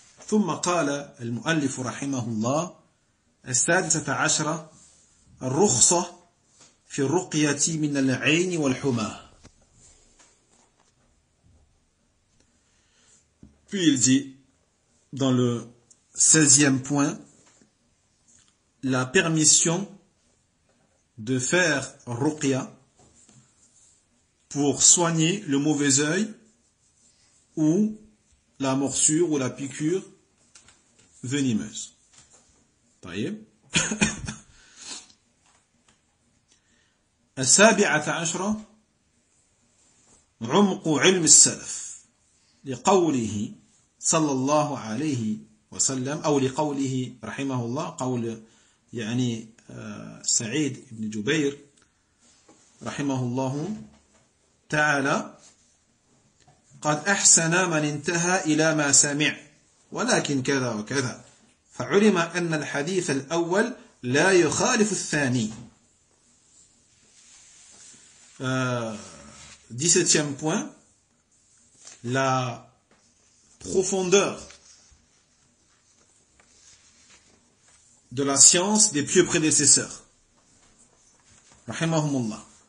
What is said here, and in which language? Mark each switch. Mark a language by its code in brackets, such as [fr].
[ar] ثم قال المؤلف رحمه الله السادسة عشرة الرخصة في الرقية من العين والحمى. [fr] Puis il dit dans le 16e point la permission de faire ruqya pour soigner le mauvais œil ou la morsure ou la piqûre venimeuse. [ar] طيب السابعة عشرة عمق علم السلف لقوله صلى الله عليه وسلم أو لقوله رحمه الله قول يعني سعيد بن جبير رحمه الله تعالى قد أحسن من انتهى إلى ما سمع ولكن كذا وكذا فعلم أن الحديث الأول لا يخالف الثاني. [fr] 17e point, la profondeur de la science des pieux prédécesseurs. Rahimahumullah.